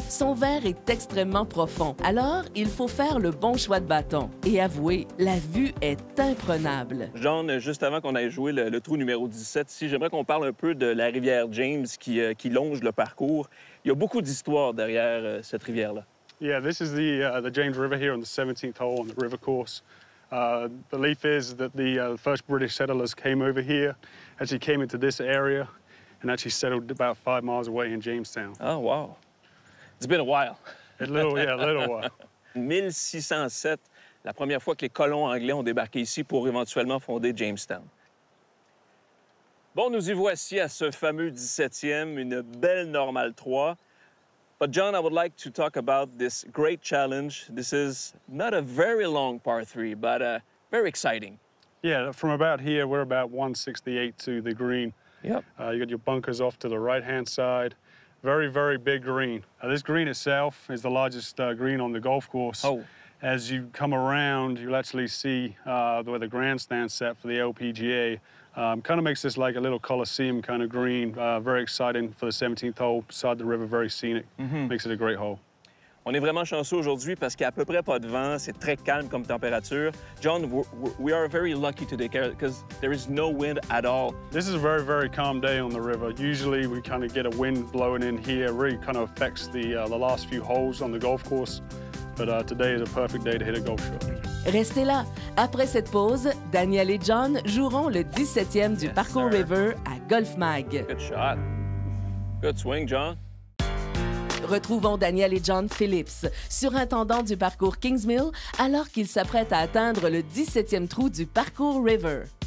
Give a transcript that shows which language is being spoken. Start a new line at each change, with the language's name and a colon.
French: Son verre est extrêmement profond, alors il faut faire le bon choix de bâton. Et avouez, la vue est imprenable. John, juste avant qu'on aille jouer le trou numéro 17 ici, j'aimerais qu'on parle un peu de la rivière James qui longe le parcours. Il y a beaucoup d'histoires derrière cette rivière-là.
English: Yeah, this is the James River here on the 17th hole on the river course. The belief is that the first British settlers came over here, actually came into this area, and actually settled about 5 miles away in Jamestown. Oh, wow. It's been a while. A little while.
French: 1607, la première fois que les colons anglais ont débarqué ici pour éventuellement fonder Jamestown. Bon, nous y voici à ce fameux 17e, une belle normale 3.
English: But John, I would like to talk about this great challenge. This is not a very long par 3, but very exciting. Yeah, from about here, we're about 168 to the green. Yep. You got your bunkers off to the right-hand side. Very, very big green. This green itself is the largest green on the golf course. Oh. As you come around, you'll actually see the way the grandstand's set for the LPGA. Kind of makes this like a little coliseum kind of green. Very exciting for the 17th hole, beside the river, very scenic. Mm-hmm. Makes it a great hole.
French: On est vraiment chanceux aujourd'hui parce qu'il n'y a à peu près pas de vent, c'est très calme comme température.
English: John, we are very lucky today because there is no wind at all. This is a very, very calm day on the river. Usually we kind of get a wind blowing in here, really kind of affects the last few holes on the golf course. But today is a perfect day to hit a golf shot.
French: Restez là. Après cette pause, Daniel et John joueront le 17e du Parcours River à Golf Mag.
English: Good shot. Good swing, John.
French: Retrouvons Daniel et John Phillips, surintendants du parcours Kingsmill, alors qu'ils s'apprêtent à atteindre le 17e trou du parcours River.